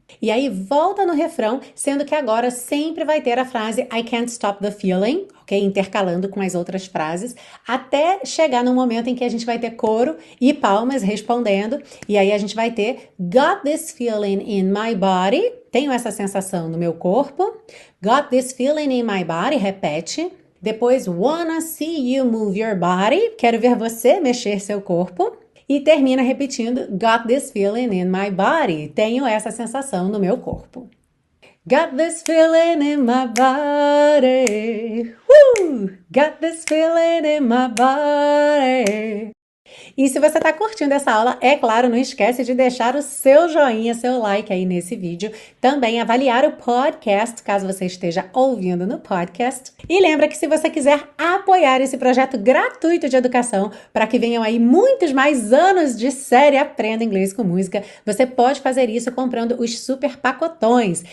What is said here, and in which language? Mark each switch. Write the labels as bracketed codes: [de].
[pt] E aí volta no refrão, sendo que agora sempre vai ter a frase [en] I can't stop the feeling, [pt] ok? Intercalando com as outras frases, até chegar no momento em que a gente vai ter coro e palmas respondendo. E aí a gente vai ter [en] Got this feeling in my body. [pt] Tenho essa sensação no meu corpo. [en] Got this feeling in my body. [pt] Repete. Depois, [en] wanna see you move your body. [pt] Quero ver você mexer seu corpo. E termina repetindo, [en] Got this feeling in my body. [pt] Tenho essa sensação no meu corpo. [en] Got this feeling in my body. Got this feeling in my body. [pt] E se você está curtindo essa aula, é claro, não esquece de deixar o seu joinha, seu like aí nesse vídeo. Também avaliar o podcast, caso você esteja ouvindo no podcast. E lembra que se você quiser apoiar esse projeto gratuito de educação, para que venham aí muitos mais anos de série Aprenda Inglês com Música, você pode fazer isso comprando os super pacotões.